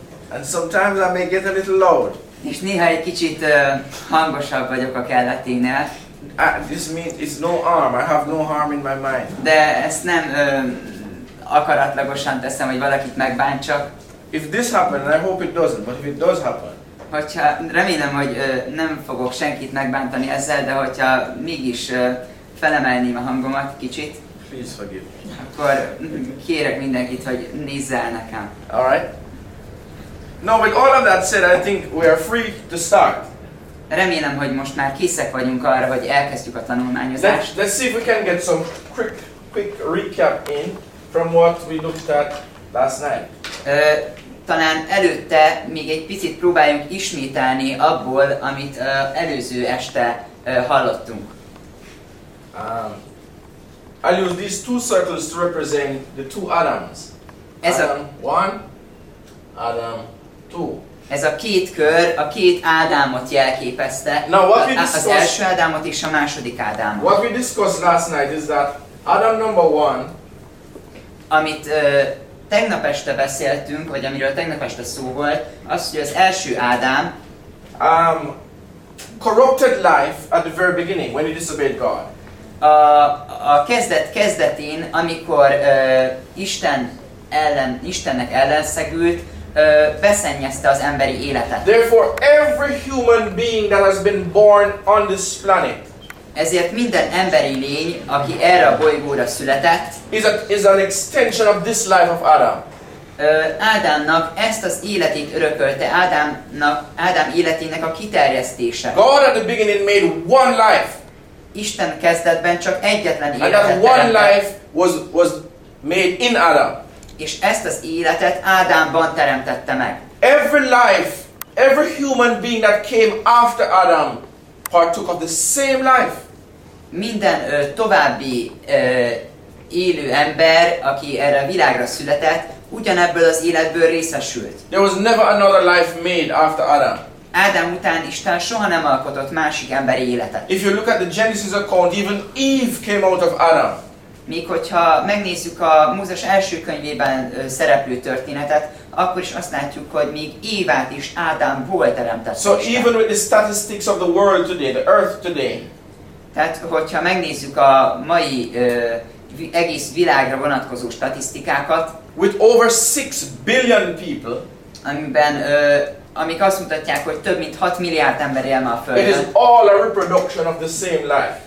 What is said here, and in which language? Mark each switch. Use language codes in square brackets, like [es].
[en] And sometimes I may get a little loud. [hu] És néha egy kicsit hangosabb vagyok a kelletténél. [en] This means it's no harm. I have no harm in my mind. [hu] De ezt nem akaratlagosan teszem, hogy valakit megbántsak. [en] If this happens, I hope it doesn't, but if it does happen. [hu] Hogyha remélem, hogy nem fogok senkit megbántani ezzel, de hogyha mégis felemelném a hangomat kicsit, [en] please forgive me. [hu] Akkor kérek mindenkit, hogy nézze el nekem. [en] All right. Now, with all of that said, I think we are free to start. [hu] Remélem, hogy most már készek vagyunk arra, hogy elkezdjük a tanulmányozást. [en] Let's see if we can get some quick recap in from what we looked at last night. [hu] Talán előtte még egy picit próbáljunk ismételni abból, amit előző este hallottunk. [en] I use these two circles to represent the two Adams. Adam 1, Adam 2. [hu] Ez a két kör a két Ádámot jelképezte. [en] Now, what we [hu] az első Ádámot és a második Ádámot. [en] What we discussed last night is that Adam number 1, [hu] amit tegnap este beszéltünk, vagy amiről tegnap este szó volt, az, hogy az első Ádám [en] corrupted life at the very beginning when he disobeyed God. [hu] A kezdetén, amikor Istennek ellenszegült, beszennyezte az emberi életet. [en] Therefore every human being that has been born on this planet. [hu] Ezért minden emberi lény, aki erre a bolygóra született, [en] is an extension of this life of Adam. [hu] Ádámnak ezt az életét örökölte, Ádám életének a kiterjesztése. [en] God at the beginning made one life. [hu] Isten kezdetben csak egyetlen életet teremtett. [en] And that one life was made in Adam. [hu] És ezt az életet Ádámban teremtette meg. [en] Every life, every human being that came after Adam partook of the same life. [hu] Minden további élő ember, aki erre a világra született, ugyanebből az életből részesült. [en] There was never another life made after Adam. [hu] Ádám után Isten soha nem alkotott másik emberi életet. [en] If you look at the Genesis account, even Eve came out of Adam. [hu] Még hogyha megnézzük a Mózes első könyvében szereplő történetet, akkor is azt látjuk, hogy még Évát is Ádámból teremtett. [en] So even with the statistics of the world today, the earth today. [hu] Tehát hogyha megnézzük a mai egész világra vonatkozó statisztikákat, [en] with over 6 billion people, [hu] amiben amik azt mutatják, hogy több mint 6 milliárd ember él ma a Földön. [en] It is all a reproduction of the same life.